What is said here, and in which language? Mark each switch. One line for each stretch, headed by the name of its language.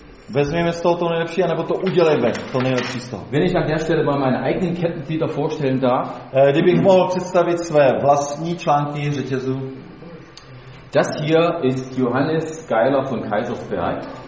Czech: Vezměme z toho to nejlepší, anebo to udělejme, to nejlepší z toho.
German: Wenn ich an der Stelle mal meine eigenen Kettenglieder vorstellen darf.
Czech: Kdybych mohl představit své vlastní články řetězu.
German: Das hier ist Johannes Geiler von Kaisersberg.